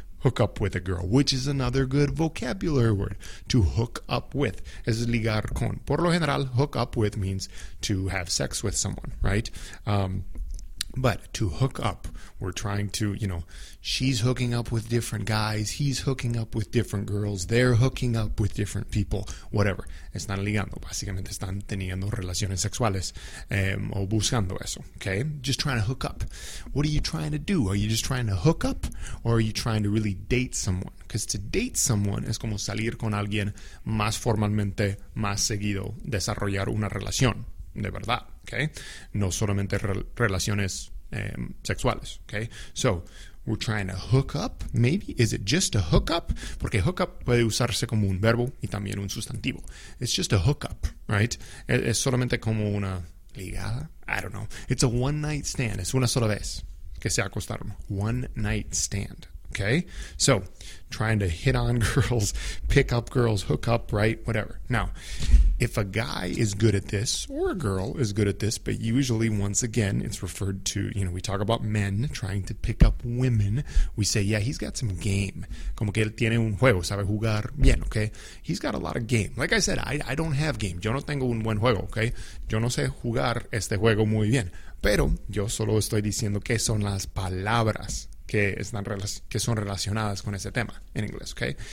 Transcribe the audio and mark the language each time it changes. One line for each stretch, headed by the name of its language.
English: hook up with a girl, which is another good vocabulary word. To hook up with
Spanish: es ligar con. Por lo general,
English: hook up with means to have sex with someone, right? But to hook up, we're trying to, you know, she's hooking up with different guys, he's hooking up with different girls, they're hooking up with different people, whatever.
Spanish: Están ligando, básicamente están teniendo relaciones sexuales, o buscando eso, okay?
English: Just trying to hook up. What are you trying to do? Are you just trying to hook up, or are you trying to really date someone? Because to date someone
Spanish: es como salir con alguien más formalmente, más seguido, desarrollar una relación, de verdad. Okay, no solamente relaciones sexuales.
English: Okay, so we're trying to hook up. Maybe is it just a hook up?
Spanish: Porque hook up puede usarse como un verbo y también un sustantivo.
English: It's just a hook up, right?
Spanish: Es solamente como una ligada.
English: I don't know. It's a one night stand.
Spanish: Es una sola vez que se acostaron.
English: One night stand. Okay, so trying to hit on girls, pick up girls, hook up, right? Whatever. Now, if a guy is good at this, or a girl is good at this, but usually, once again, it's referred to, you know, we talk about men trying to pick up women. We say, yeah, he's got some game.
Spanish: Como que él tiene un juego, sabe jugar bien, okay?
English: He's got a lot of game. Like I said, I don't have game.
Spanish: Yo no tengo un buen juego, okay? Yo no sé jugar este juego muy bien. Pero yo solo estoy diciendo que son las palabras que son relacionadas con ese tema en inglés, okay?